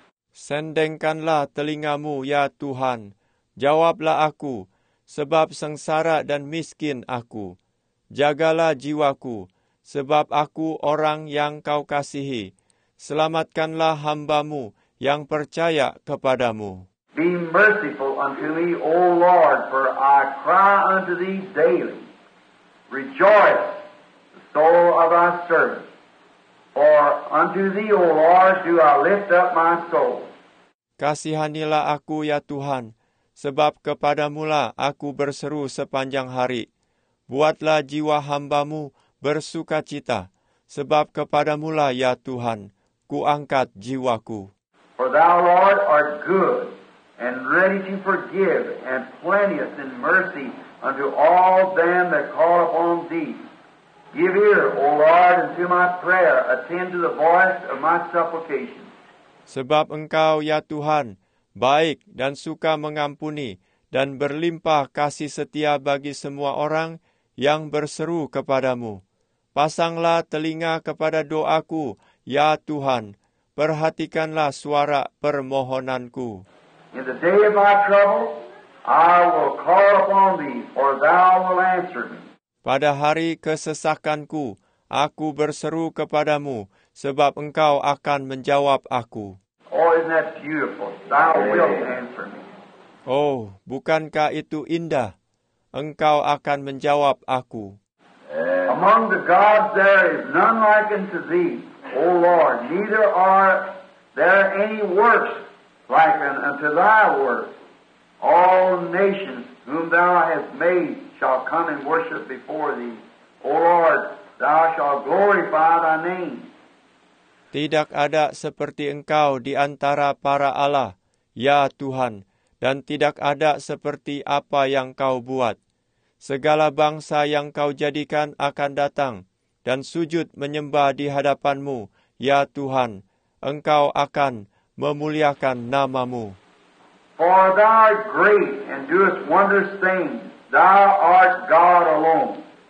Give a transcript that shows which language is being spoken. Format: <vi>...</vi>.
<id>Sendengkanlah telingamu, ya Tuhan. Jawablah aku, sebab sengsara dan miskin aku. Jagalah jiwaku, sebab aku orang yang kau kasihi. Selamatkanlah hambamu yang percaya kepadamu.</id> <en>Be merciful unto me, O Lord, for I cry unto thee daily. Rejoice, the soul of thy servant. For unto thee, O Lord, do I lift up my soul.</en> <id>Kasihanilah aku, ya Tuhan, sebab kepadamulah aku berseru sepanjang hari. Buatlah jiwa hambamu bersuka cita, sebab kepadamulah, ya Tuhan, kuangkat jiwaku.</id> <en>For thou, Lord, art good, and ready to forgive, and plenteous in mercy unto all them that call upon thee. Give ear, O Lord, unto my prayer, attend to the voice of my supplication.</en> <id>Sebab engkau, ya Tuhan, baik dan suka mengampuni dan berlimpah kasih setia bagi semua orang yang berseru kepadamu. Pasanglah telinga kepada doaku, ya Tuhan, perhatikanlah suara permohonanku.</id> <en>In the day of my trouble, I will call upon thee, for thou will answer me.</en> <id>Pada hari kesesakanku, aku berseru kepadamu, sebab engkau akan menjawab aku.</id> <en>Oh, isn't that beautiful? Thou wilt answer me.</en> <id>Oh, bukankah itu indah? Engkau akan menjawab aku.</id> <en>Among the gods there is none like unto thee, O Lord. Neither are there any works like unto thy works. All nations whom thou hast made shall come and worship before thee. O Lord, thou shalt glorify thy name.</en> <id>Tidak ada seperti engkau di antara para Allah, ya Tuhan, dan tidak ada seperti apa yang kau buat. Segala bangsa yang kau jadikan akan datang dan sujud menyembah di hadapanmu, ya Tuhan, engkau akan memuliakan namamu.</id> <en>For thou art great and doest wondrous things, thou art God alone.</en>